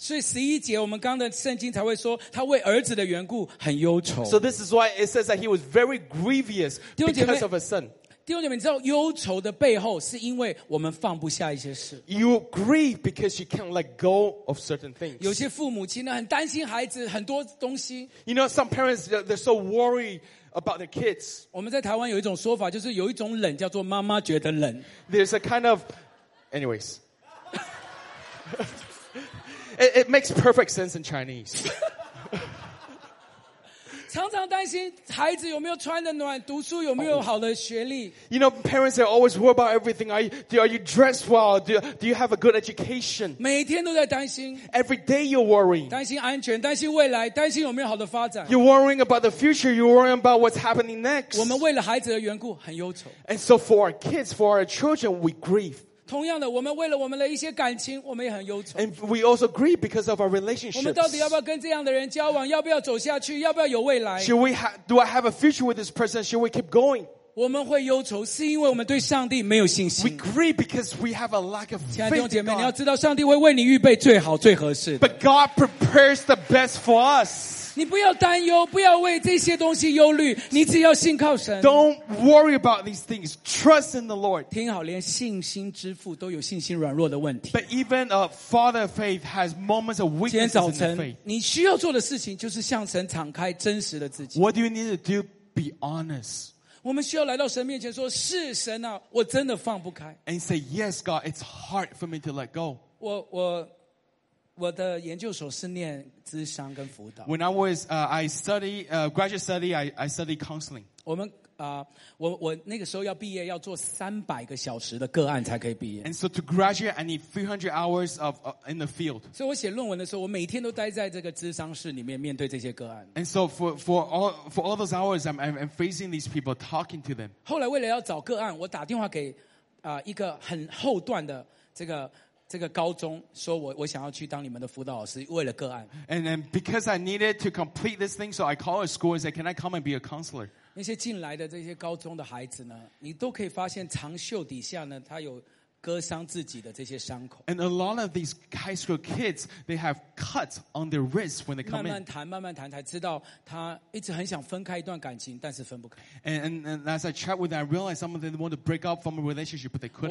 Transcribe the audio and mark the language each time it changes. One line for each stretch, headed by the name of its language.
Chinese: 所以十一节，我们刚刚的圣经才会说，他为儿子的缘故很忧愁。
English: So this is why it says that he was very grievous because of his son.
Chinese: 弟兄姐妹，你知道忧愁的背后是因为我们放不下一些事。
English: You grieve because you can't let go of certain things.
Chinese: 有些父母亲呢，很担心孩子很多东西。
English: You know, some parents, they're so worried about their kids.
Chinese: 我们在台湾有一种说法，就是有一种冷叫做妈妈觉得冷。
English: There's a kind of... Anyways. It makes perfect sense in Chinese.
Chinese: 常常担心孩子有没有穿得暖，读书有没有好的学历。
English: You know, parents are always worried about everything. Are you dressed well? Do you have a good education?
Chinese: 每天都在担心。
English: Every day you're worrying.
Chinese: 担心安全，担心未来，担心有没有好的发展。
English: You're worrying about the future. You're worrying about what's happening next.
Chinese: 我们为了孩子的缘故很忧愁。
English: And so for our kids, for our children, we grieve.
Chinese: 同样的，我们为了我们的一些感情，我们也很忧愁。
English: And we also grieve because of our relationships.
Chinese: 我们到底要不要跟这样的人交往？要不要走下去？要不要有未来？
English: Do I have a future with this person? Should we keep going?
Chinese: 我们会忧愁，是因为我们对上帝没有信心。
English: We grieve because we have a lack of faith.
Chinese: 亲爱的弟兄姐妹，你要知道，上帝会为你预备最好、最合适的。
English: But God prepares the best for us.
Chinese: 你不要担忧，不要为这些东西忧虑，你只要信靠神。
English: Don't worry about these things. Trust in the Lord.
Chinese: 听好，连信心之父都有信心软弱的问题。
English: But even a father of faith has moments of weakness.
Chinese: 今天早晨，你需要做的事情就是向神敞开真实的自己。
English: What do you need to do? Be honest.
Chinese: 我们需要来到神面前说，是神啊，我真的放不开。
English: And say, yes, God, it's hard for me to let go.
Chinese: 我的研究所是念諮商跟輔導。
English: When I was, graduate study, I studied counseling.
Chinese: 我们我那个时候要毕业，要做300个小时的个案才可以毕业。
English: And so to graduate, I need 300 hours of, in the field.
Chinese: 所以我写论文的时候，我每天都待在这个諮商室里面面对这些个案。
English: And so for all those hours, I'm facing these people, talking to them.
Chinese: 后来为了要找个案，我打电话给一个很后段的这个高中，说我想要去当你们的辅导老师，为了个案。
English: And then because I needed to complete this thing, so I called a school and said, "Can I come and be a counselor?"
Chinese: 那些进来的这些高中的孩子呢，你都可以发现长袖底下呢，他有割伤自己的这些伤口。
English: And a lot of these high school kids, they have cuts on their wrists when they come in.
Chinese: 慢慢谈，慢慢谈，才知道他一直很想分开一段感情，但是分不开。
English: And as I chat with them, I realized some of them want to break up from a relationship, but they couldn't.